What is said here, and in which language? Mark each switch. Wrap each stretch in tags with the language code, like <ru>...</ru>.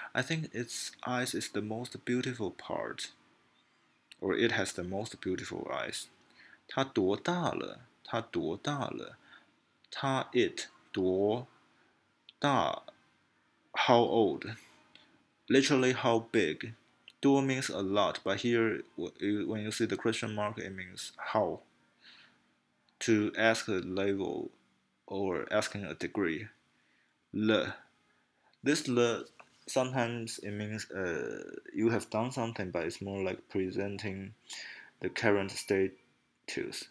<en>I think its eyes is the most beautiful part, or it has the most beautiful eyes.</en> <zh>她多大了她多大了她 it 多大</zh> <en>How old? Literally, how big? 多 means a lot, but here, when you see the question mark, it means how. To ask a level or asking a degree. Le. This le, sometimes it means you have done something, but it's more like presenting the current status.</en>